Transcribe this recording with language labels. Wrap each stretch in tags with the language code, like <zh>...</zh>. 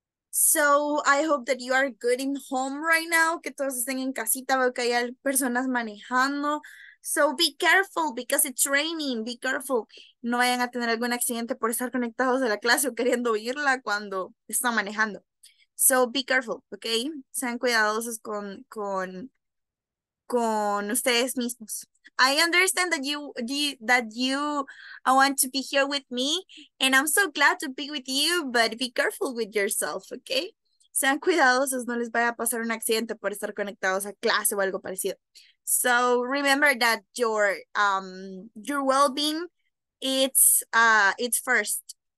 <en>So, I hope that you are getting home right now.</en> <es>Que todos estén en casita, veo que hay personas manejando.</es> <en>So, be careful because it's raining. Be careful.</en> <es>No vayan a tener algún accidente por estar conectados a la clase o queriendo oírla cuando están manejando.</es> <en>So, be careful, okay?</en> <es>Sean cuidadosos con ustedes mismos.</es> <en>I understand that you want to be here with me, and I'm so glad to be with you, but be careful with yourself, okay?</en> <es>Sean cuidadosos, no les vaya a pasar un accidente por estar conectados a clase o algo parecido.</es> <en>So remember that your well-being, it's first.</en>